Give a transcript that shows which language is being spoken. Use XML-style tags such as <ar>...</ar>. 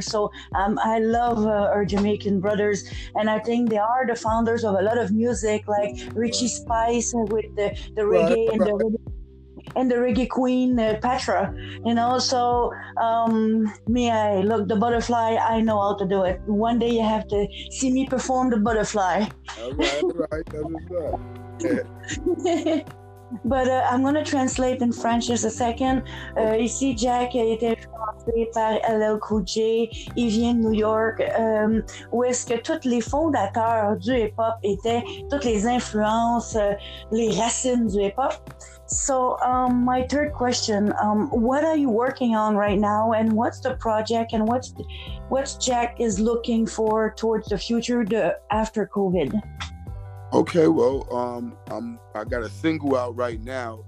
<en>So I love our Jamaican brothers, and I think they are the founders of a lot of music, like Richie Spice with the reggae and the reggae queen Petra. You know, so I look the butterfly. I know how to do it. One day you have to see me perform the butterfly. All right. But I'm going to translate in French just a second.</en> <fr>Ici Jack a été influencé par LL Cool J, il vient de New York, où est-ce que tous les fondateurs du hip-hop étaient, toutes les influences, les racines du hip-hop.</fr> <en>So, my third question, what are you working on right now, and what's the project, and what's Jack is looking for towards the future, after COVID? Okay, well, I got a single out right now.</en>